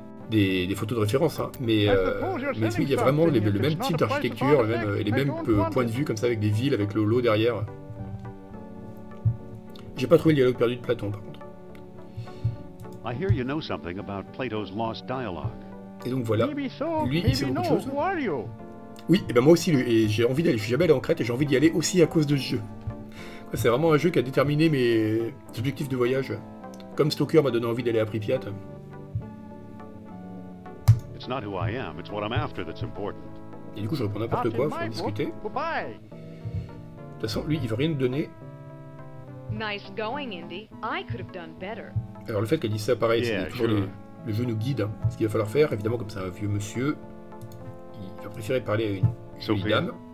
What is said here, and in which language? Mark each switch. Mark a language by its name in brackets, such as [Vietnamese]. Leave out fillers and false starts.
[French] Des photos de référence, hein. Mais il y a vraiment le même type d'architecture, les mêmes points de vue, comme ça, avec des villes, avec le lot derrière. J'ai pas trouvé le dialogue perdu de Platon, par contre. [English] I hear you know something about Plato's lost dialogue. [French] Et donc voilà, lui, il sait beaucoup de choses. Oui, et ben moi aussi, et j'ai envie d'aller, je suis jamais allé en Crète, et j'ai envie d'y aller aussi à cause de ce jeu. C'est vraiment un jeu qui a déterminé mes objectifs de voyage. Comme Stoker m'a donné envie d'aller à Pripyat. [English] It's not who I am, it's what I'm after that's important. [French] Et du coup, je réponds n'importe quoi, faut en discuter. De toute façon, lui, il veut rien nous donner. [English] Nice going, Indy. I could have done better. [French] Alors le fait qu'elle dise ça, pareil, c'est toujours le jeu nous guide, hein, ce qu'il va falloir faire. Évidemment, comme c'est un vieux monsieur, il va préférer parler à une jolie dame.